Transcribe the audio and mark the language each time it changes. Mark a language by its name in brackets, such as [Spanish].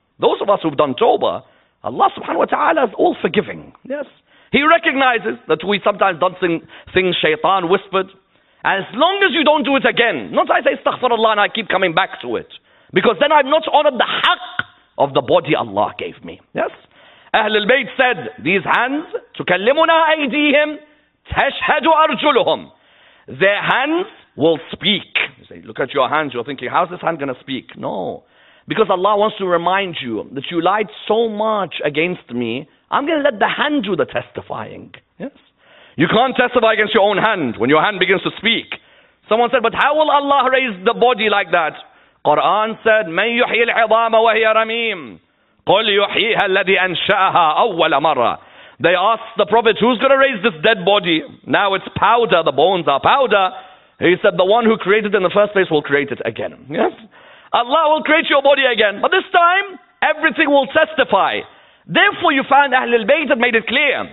[English] Those of us who've done tawbah, Allah subhanahu wa ta'ala is all forgiving. Yes. He recognizes that we sometimes done things shaitan whispered. As long as you don't do it again. Not I say astaghfirullah and I keep coming back to it. Because then I've not honored the haqq of the body Allah gave me. Yes. [Arabic] أهل البيت [English] said, these hands, [Arabic] تكلمنا أيديهم, تشهد أرجلهم. [English] Their hands will speak. You say, look at your hands, you're thinking, how's this hand going to speak? No. Because Allah wants to remind you that you lied so much against me, I'm going to let the hand do the testifying. Yes. You can't testify against your own hand when your hand begins to speak. Someone said, but how will Allah raise the body like that? [Arabic] Quran said, مَنْ يُحْيِي الْعِظَامَ وَهِيَ رَمِيمٌ قُلْ يُحْيِيهَا الَّذِي أَنْشَأَهَا أَوَّلَ مَرَّةٍ. [English] They asked the Prophet, who's going to raise this dead body? Now it's powder, the bones are powder. He said, the one who created it in the first place will create it again. Yes? Allah will create your body again. But this time, everything will testify. Therefore, you found Ahlul Bayt had made it clear.